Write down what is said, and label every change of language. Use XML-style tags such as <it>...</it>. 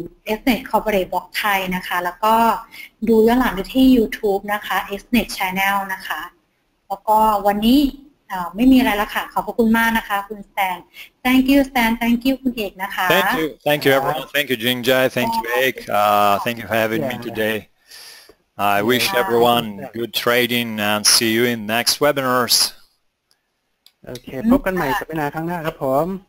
<th>Esnet Corporate Blog ไทยนะคะแล้วก็ดูย้อนหลังได้ที่ YouTube นะคะ Esnet Channel นะคะแล้วก็วันนี้ไม่มีอะไรแล้วค่ะขอบคุณมากนะคะคุณสแตน</th> <en>thank you Stan thank you</en> <th>คุณเอกนะคะ</th> <en>thank you everyone thank you Jingjia thank you Ek thank you for having me today I wish everyone good trading and see you in next webinars</en> <th>okay พบกันใหม่สัปดาห์ข้างหน้าครับผม</th>